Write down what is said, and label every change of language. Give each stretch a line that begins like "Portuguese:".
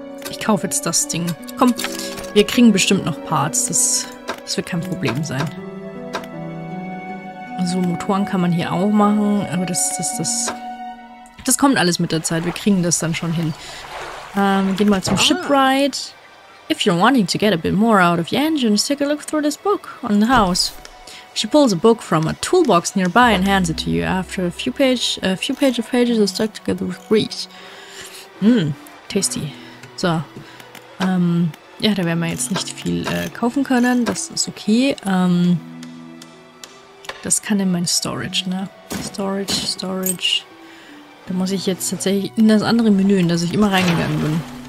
German: Ich kaufe jetzt das Ding. Komm, wir kriegen bestimmt noch Parts. Das wird kein Problem sein. So, Motoren kann man hier auch machen, aber das kommt alles mit der Zeit. Wir kriegen das dann schon hin. Gehen mal zum Shipwright.
English: If you're wanting to get a bit more out of your engines, take a look through this book on the house. She pulls a book from a toolbox nearby and hands it to you. After a few pages are stuck together with grease. Tasty. So.
German: Ja, da werden wir jetzt nicht viel kaufen können. Das ist okay. Das kann in mein Storage, ne? Storage. Da muss ich jetzt tatsächlich in das andere Menü, in das ich immer reingegangen bin.